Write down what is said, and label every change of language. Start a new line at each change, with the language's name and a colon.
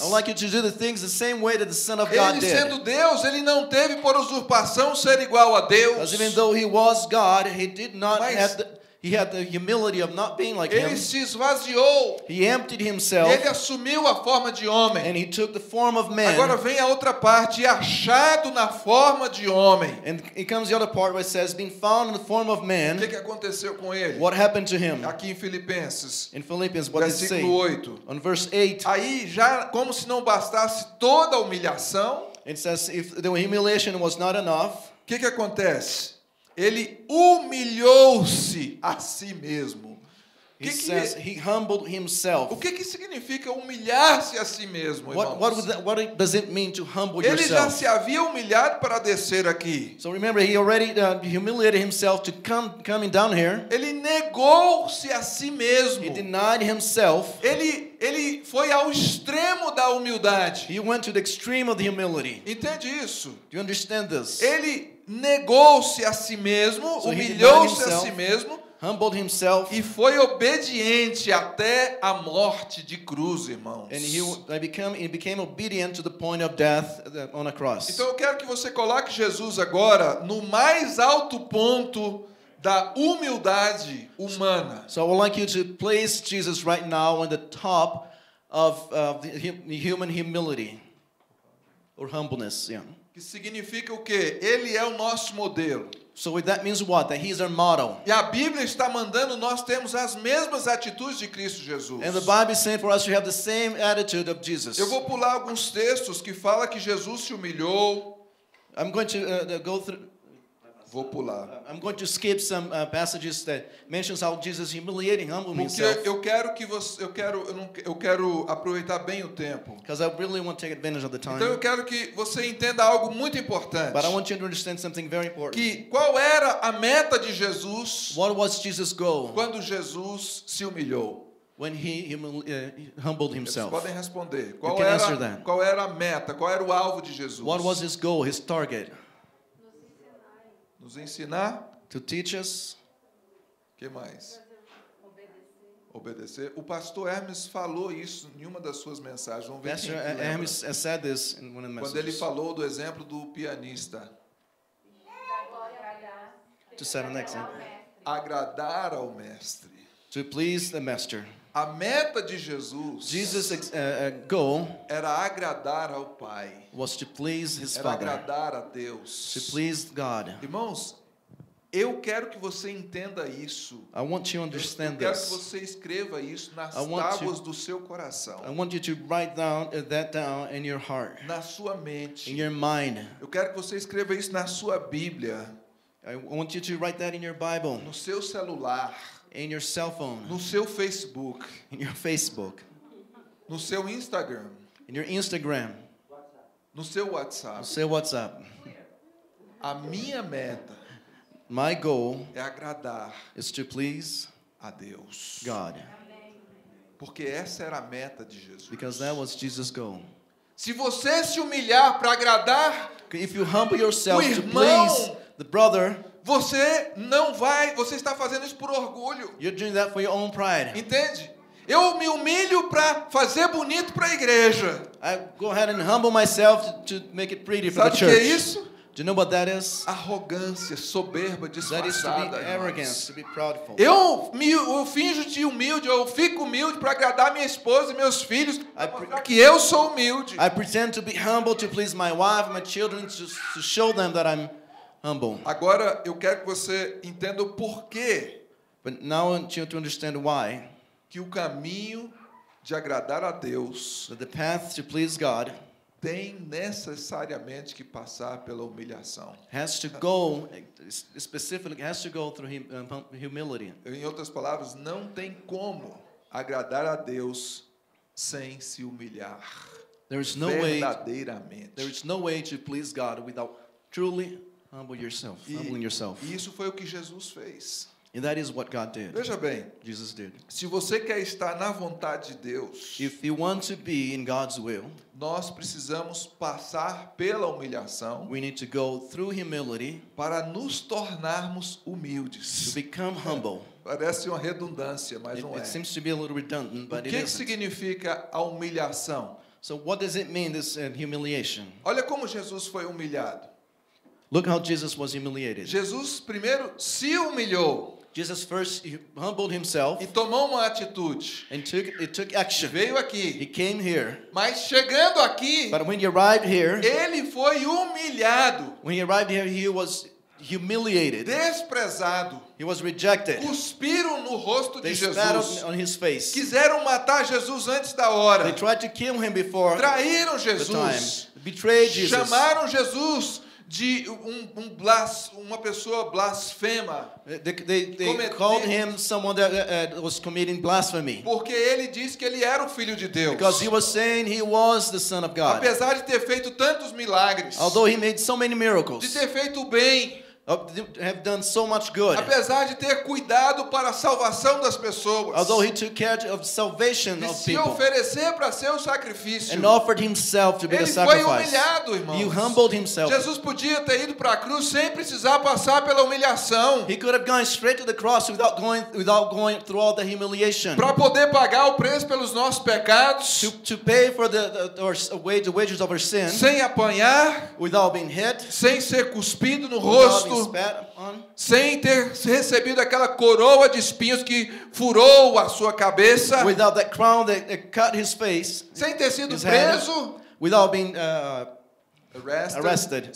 English: I like you to do the things the same way that the Son of
Portuguese: ele
English: God did.
Portuguese: Ele sendo Deus, ele não teve por usurpação ser igual a Deus.
English: Because even though he was God, he did not He had the humility of not being like
Portuguese: ele
English: him.
Portuguese: Se esvaziou.
English: He emptied himself.
Portuguese: Ele assumiu a forma de homem.
English: And he took the form of man.
Portuguese: Agora vem a outra parte, achado na forma de homem.
English: And it comes the other part where it says being found in the form of man.
Portuguese: O que aconteceu com ele?
English: What happened to him?
Portuguese: Aqui em Filipenses.
English: In Philippians, what does it say?
Portuguese: Versículo 8.
English: On verse 8.
Portuguese: Aí já como se não bastasse toda a humilhação.
English: It says if the humiliation was not enough.
Portuguese: Que acontece? Ele humilhou-se a si mesmo.
English: He humbled himself.
Portuguese: O que significa humilhar-se a si mesmo, irmãos?
English: What does it mean to humble
Portuguese: ele
English: yourself?
Portuguese: Ele já se havia humilhado para descer aqui.
English: So remember, he already humiliated himself to coming down here.
Portuguese: Ele negou-se a si mesmo.
English: He denied himself.
Portuguese: Ele foi ao extremo da humildade.
English: He went to the extreme of the humility.
Portuguese: Entende isso?
English: Do you understand this?
Portuguese: Ele negou-se a si mesmo,
English: so
Portuguese: humilhou-se a si mesmo,
English: humbled himself,
Portuguese: e foi obediente até a morte de cruz, irmãos.
English: And he became obedient to the point of death on a cross.
Portuguese: Então eu quero que você coloque Jesus agora no mais alto ponto da humildade humana.
English: So I would like you to place Jesus right now on the top of the human humility or humbleness, yeah.
Portuguese: Que significa o quê? Ele é o nosso modelo.
English: So that means what? That he is our model.
Portuguese: E a Bíblia está mandando nós termos as mesmas atitudes de Cristo Jesus.
English: And the Bible is saying for us to have the same attitude of Jesus.
Portuguese: Eu vou pular alguns textos que fala que Jesus se humilhou.
English: I'm going to go through.
Portuguese: Vou pular.
English: I'm going to skip some passages that mentions how Jesus humiliating humbled himself.
Portuguese: Porque eu quero que você, eu quero aproveitar bem o tempo.
English: Because I really want to take advantage of the time.
Portuguese: Então eu quero que você entenda algo muito importante.
English: But I want you to understand something very important.
Portuguese: Que qual era a meta de Jesus?
English: What was Jesus' goal?
Portuguese: Quando Jesus se humilhou.
English: When he humbled himself.
Portuguese: Vocês podem responder. Qual era a meta? Qual era o alvo de Jesus?
English: What was his goal? His target?
Portuguese: Nos ensinar.
English: To teach us.
Portuguese: Que mais? Obedecer. O pastor Hermes falou isso em uma das suas mensagens. Vamos ver pastor Hermes lembra.
English: Said this in one of the messages.
Portuguese: Quando ele falou do exemplo do pianista.
English: To set an example.
Portuguese: Agradar ao mestre.
English: To please the master.
Portuguese: A meta de Jesus.
English: Jesus' goal.
Portuguese: Era agradar ao Pai.
English: Was to please his
Portuguese: era
English: father.
Portuguese: Agradar a Deus.
English: To please God.
Portuguese: Irmãos, eu quero que você entenda isso.
English: I want you to understand this.
Portuguese: Eu quero
English: this.
Portuguese: Que você escreva isso nas tábuas do seu coração.
English: I want you to write down that down in your heart.
Portuguese: Na sua mente.
English: In your mind.
Portuguese: Eu quero que você escreva isso na sua Bíblia.
English: I want you to write that in your Bible.
Portuguese: No seu celular.
English: In your cell phone.
Portuguese: No seu Facebook.
English: In your Facebook.
Portuguese: No seu Instagram.
English: In your Instagram.
Portuguese: No seu WhatsApp. No seu WhatsApp. A minha meta.
English: My goal.
Portuguese: É agradar.
English: Is to please.
Portuguese: A Deus.
English: God.
Portuguese: Porque essa era a meta de Jesus.
English: Because that was Jesus' goal.
Portuguese: Se você se humilhar para agradar.
English: If you humble yourself
Portuguese: irmão,
English: to please the brother.
Portuguese: Você não vai. Você está fazendo isso por orgulho.
English: You're doing that for your own pride.
Portuguese: Entende? Eu me humilho para fazer bonito para a igreja.
English: I go ahead and humble myself to make it pretty
Portuguese: sabe
English: for the church.
Portuguese: Sabe o que é isso?
English: Do you know what that is?
Portuguese: Arrogância, soberba, disfarçada.
English: That is to be arrogant, to be proudful.
Portuguese: Eu finjo de humilde, eu fico humilde para agradar minha esposa e meus filhos, que eu sou humilde.
English: I pretend to be humble to please my wife and my children, to show them that I'm humble.
Portuguese: Agora eu quero que você entenda o porquê.
English: But now I want you to understand why.
Portuguese: Que o caminho de agradar a Deus,
English: the path to please God,
Portuguese: tem necessariamente que passar pela humilhação.
English: Has to go specifically has to go through humility.
Portuguese: Em outras palavras, não tem como agradar a Deus sem se humilhar.
English: There is no
Portuguese: verdadeiramente.
English: Way, there is no way to please God without truly humble yourself, humbling yourself.
Portuguese: E isso foi o que Jesus fez.
English: And that is what God did.
Portuguese: Veja bem,
English: Jesus did.
Portuguese: Se você quer estar na vontade de Deus,
English: if you want to be in God's will,
Portuguese: nós precisamos passar pela humilhação,
English: we need to go through humility,
Portuguese: para nos tornarmos humildes,
English: to become humble.
Portuguese: Parece uma redundância, mas não é.
English: It seems to be a little redundant, but it isn't.
Portuguese: O que significa a humilhação?
English: So what does it mean, this humiliation?
Portuguese: Olha como Jesus foi humilhado.
English: Look how Jesus was humiliated.
Portuguese: Jesus primeiro se humilhou.
English: Jesus first humbled himself.
Portuguese: E tomou uma atitude.
English: And took action.
Portuguese: E veio aqui.
English: He came here.
Portuguese: Mas chegando aqui,
English: but when he arrived here,
Portuguese: ele foi humilhado.
English: When he arrived here, he was humiliated.
Portuguese: Desprezado.
English: He was rejected.
Portuguese: Cuspiram no rosto
English: they
Portuguese: de Jesus.
English: They spat on his face.
Portuguese: Quiseram matar Jesus antes da hora.
English: They tried to kill him before.
Portuguese: Traíram Jesus.
English: The time. Betrayed Jesus.
Portuguese: Chamaram Jesus de uma pessoa blasfema.
English: They called him someone that was committing blasphemy.
Portuguese: Porque ele disse que ele era o filho de Deus.
English: Because he was saying he was the son of God.
Portuguese: Apesar de ter feito tantos milagres.
English: Although he made so many miracles.
Portuguese: De ter feito bem.
English: Have done so much good.
Portuguese: Apesar de ter cuidado para a salvação das pessoas.
English: Although he took care of salvation of people.
Portuguese: E se oferecer para ser o sacrifício.
English: And offered himself to be the sacrifice.
Portuguese: Ele foi humilhado, irmãos.
English: He humbled himself.
Portuguese: Jesus podia ter ido para a cruz sem precisar passar pela humilhação.
English: He could have gone straight to the cross without going through all the humiliation.
Portuguese: Para poder pagar o preço pelos nossos pecados.
English: To pay for the wages of our sins.
Portuguese: Sem apanhar.
English: Without being hit.
Portuguese: Sem ser cuspido no rosto. Sem ter recebido aquela coroa de espinhos que furou a sua cabeça,
English: without that crown that cut his face,
Portuguese: sem ter sido preso,
English: without being arrested,